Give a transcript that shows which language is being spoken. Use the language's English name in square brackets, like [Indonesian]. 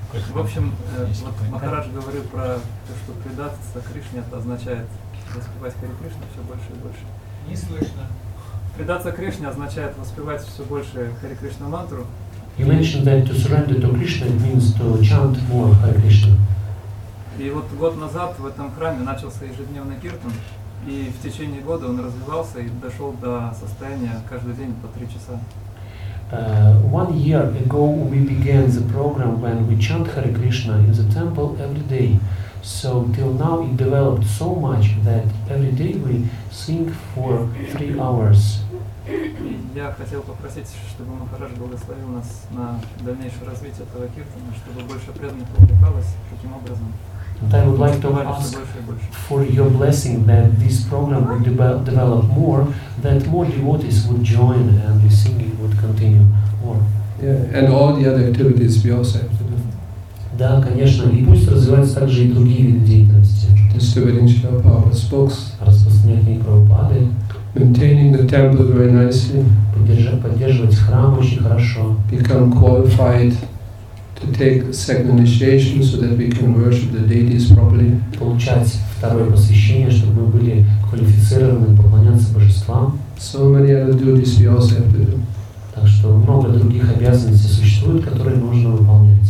[Russian] В общем, Махарадж говорил про то, что предаться Кришне это означает воспевать Хари Кришну все больше и больше. Не слышно. Предаться Кришне означает воспевать все больше Хари Кришна мантру. [English] You mentioned that to surrender to Krishna means to chant more Hare Krishna. [Russian] И вот год назад в этом храме начался ежедневный киртан. И в течение года он развивался и дошел до состояния каждый день по 3 часа. [English] One year ago we began the program when we chant Hare Krishna in the temple every day. So till now it developed so much that every day we sing for 3 hours. [Russian] Я хотел попросить, чтобы Махарадж благословил нас на дальнейшее развитие этого киртана, чтобы больше преданных увлекалось таким образом. [English] And I would like to ask for your blessing that this program would develop more, that more devotees would join and the singing would continue more. Yeah, and all the other activities we also have to do. [Russian] Да, конечно, и пусть развиваются также и другие виды деятельности. [English] Distributing Srila Prabhupada's books. [Russian] Распространение Прабхупады. [English] Maintaining the temple very nicely. [Russian] Поддерживать храм очень хорошо. [English] Become qualified to take second initiation so that we can worship the deities properly. [Russian] Получать второе посвящение, чтобы мы были квалифицированы поклоняться божествам. [English] So many other duties we also have to do. [Russian] Так что много других обязанностей существует, которые нужно выполнять.